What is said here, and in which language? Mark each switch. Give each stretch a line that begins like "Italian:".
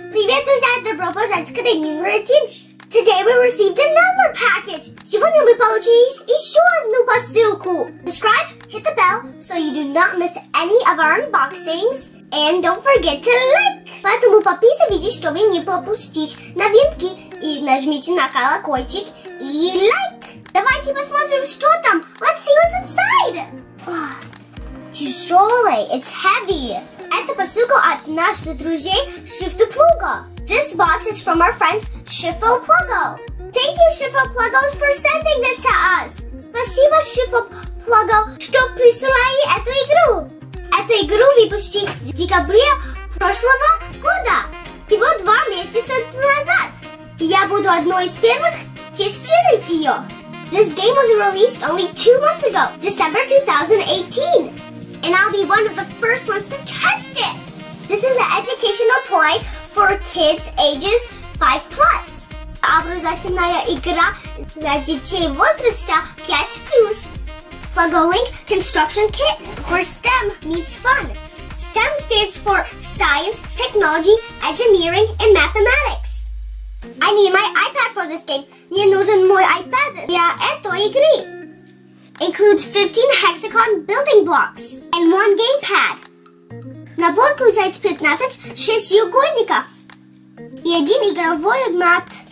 Russian: Привет, друзья, добро пожаловать к этой номеру один.
English: Today we received another package.
Russian: Сегодня мы получили еще одну посылку.
English: Subscribe, hit the bell, so you do not miss any of our unboxings. And don't forget to like.
Russian: Поэтому подписывайтесь, чтобы не пропустить новинки. И нажмите на колокольчик и лайк. Давайте посмотрим, что там.
English: Let's see what's inside. She's rolling, it's heavy.
Russian: Это посылка от наших друзей Shifu Plugo.
English: This box is from our friends Shifu Plugo. Thank you, Shifu Plugo, for sending this to us.
Russian: Спасибо, Shifu Plugo, что присылали эту игру. Эту игру выпустили в декабре прошлого года. Всего 2 месяца назад. Я буду одной из первых тестировать ее.
English: This game was released only 2 months ago, December 2018. And I'll be one of the first ones to test it. This is an educational toy for kids ages 5+.
Russian: Образовательная игра для детей возраста 5+.
English: Plugo Link Construction Kit for STEM meets fun. STEM stands for Science, Technology, Engineering, and Mathematics. I need my iPad for this game.
Russian: Мне нужен мой iPad для этой игры.
English: Includes 15 hexagon building blocks and 1 game pad.
Russian: Набор включает 15 шестиугольников и 1 игровой мат.